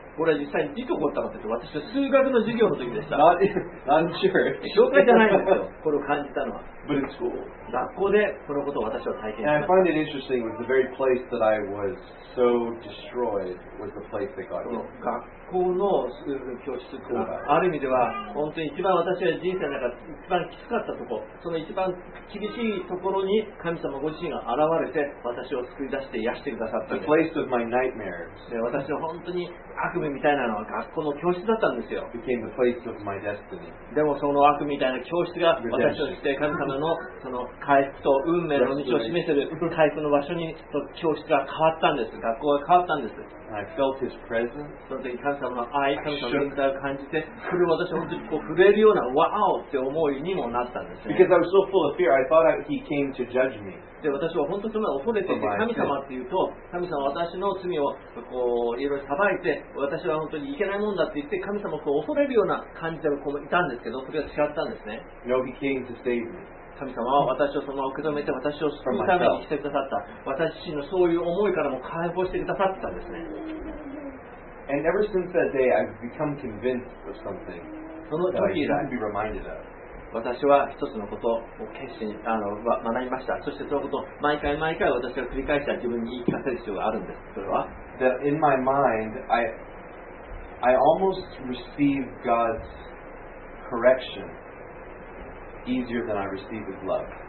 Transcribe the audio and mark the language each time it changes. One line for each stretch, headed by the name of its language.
Japanese: これは実際にいつ起こったかというと、私は数学の授業の時でした。
English: I'm sure.
Japanese: 紹介じゃないんですよ、これを感じたのは。
English: But in school.
Japanese: 学校でこのことを私は体験した。
English: And I find it interesting was the very place that I was so destroyed was the place that God gave.
Japanese: 学校の教室というのは、ある意味では、本当に一番私は人生の中で一番きつかったところ、その一番厳しいところに神様ご自身が現れて、私を救い出して癒してくださったんです。
English: The place of my nightmares.
Japanese: で私は本当に悪夢みたいなのは学校の教室だったんですよ。
English: Became the place of my destiny.
Japanese: でもその悪夢みたいな教室が私として神様のその回復と運命の道を示せる回復の場所に教室が変わったんです。学校が変わったんです。
English: I felt his presence.
Japanese: その時神様の愛、神様の臨在を感じて、それを私は本当にこう震えるようなワオって思いにもなったんです、ね。
English: Because I was so full of fear, I thought he came to judge me.
Japanese: で私は本当に恐れていて、神様っていうと、神様は私の罪をこういろいろ裁いて、私は本当にいけないもんだって言って、神様を恐れるような感じでこういたんですけど、それは違ったんですね。
English: No, he came to save me.
Japanese: 神様は私をそのまま受け止めて、私を救うために来てくださった。私自身のそういう思いからも解放してくださってたんですね。
English: And ever since that day, I've become convinced of something.
Japanese: その時以来、
English: be reminded of.
Japanese: 私は一つのことを決心学びました。そしてそのことを毎回毎回私が繰り返した自分に言い聞かせる必要があるんです。それは
English: That in my mind, I almost receive God's correction easier than I receive His love.